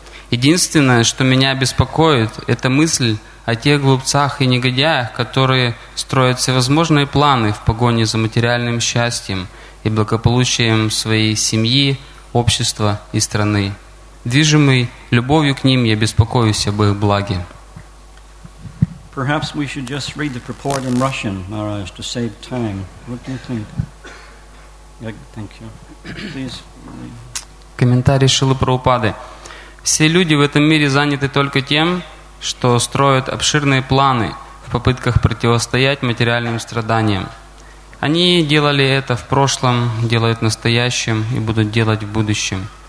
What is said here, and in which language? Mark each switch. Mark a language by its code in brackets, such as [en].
[ru] Единственное, что меня беспокоит, это мысль о тех глупцах и негодяях, которые строят всевозможные планы в погоне за материальным счастьем и благополучием своей семьи, общества и страны. Движимый любовью к ним, я беспокоюсь об их благе. [en] Perhaps we should just read the purport in Russian, Maharaj, to save time. What do you think? Yeah, thank you. Please. [ru] Комментарий Шрилы Прабхупады. Все люди в этом мире заняты только тем, что строят обширные планы в попытках противостоять материальным страданиям. Они делали это в прошлом, делают в настоящем и будут делать в будущем.